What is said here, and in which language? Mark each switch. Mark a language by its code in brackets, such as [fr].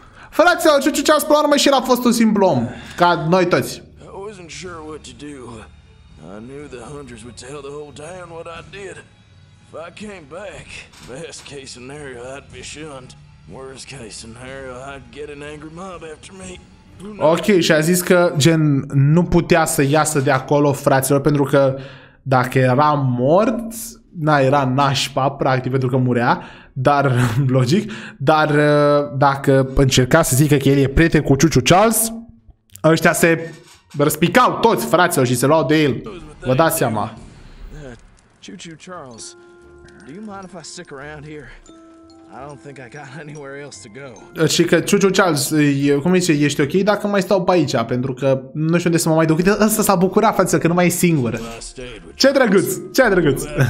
[ro] Fraților, ce ce-a spus la urmă și el a fost un simplu om, ca noi toți. [en] I wasn't sure what to do. I knew the hunters would tell the whole town what I did. If I came back, best case scenario, I'd be shunned. Worst case scenario, I'd get an angry mob after me. [ro] Ok, și a zis că gen nu putea să iasă de acolo, fraților, pentru că dacă era mort, na, era nașpa, practic, pentru că murea, dar, logic, dar dacă încerca să zică că el e prieten cu Ciuciu Charles, ăștia se răspicau toți, fraților, și se luau de el. Vă dați seama. [en] Ciuciu Charles, do you mind if I stick around here? I don't think I got anywhere else to go. [ro] Și că Ciuciu Charles, cum zice, ești ok dacă mai stau pe aici? Pentru că nu știu unde să mă mai duc. Uite, ăsta s-a bucurat, față, că nu mai e singur. Ce drăguț, ce drăguț.